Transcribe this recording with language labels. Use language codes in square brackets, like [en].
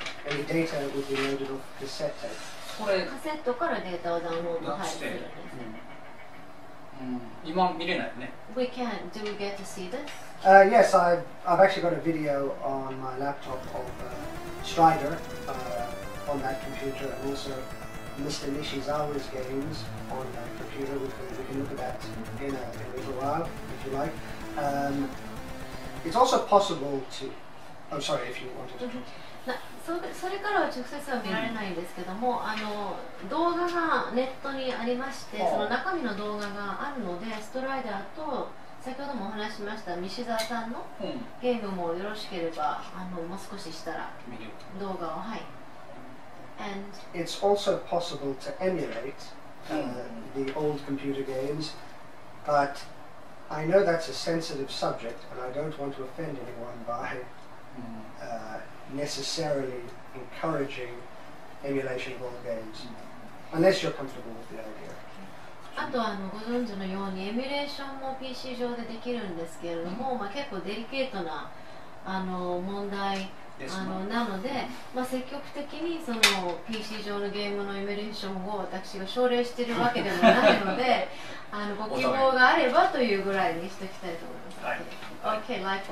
[en] And the data would be loaded off cassette tape. [ja] カセットからデータをダウンロード配信するんです、うん、今見れないね。 [en] We can, do we get to see this? Yes, I've actually got a video on my laptop of Strider on that computer and also Mr. Nishizawa's games on that computer. We can look at that in a little while if you like. It's also possible to... I'm sorry if you wanted to [ja] それからは直接は見られないんですけども、うん、あの動画がネットにありまして、その中身の動画があるので、ストライダーと先ほどもお話ししました西澤さんのゲームもよろしければ、あのもう少ししたら動画をはい。 [en] And it's also possible to emulate、the old computer games, but I know that's a sensitive subject, and I don't want to offend anyone by、necessarily encouraging emulation of old games, unless you're comfortable with the idea. [ja] あとあのご存知のようにエミュレーションも PC 上でできるんですけれども、まあ結構デリケートなあの問題あのなので、まあ積極的にその PC 上のゲームのエミュレーションを私が奨励しているわけでもないので、あのご希望があればというぐらいにしておきたいと思います。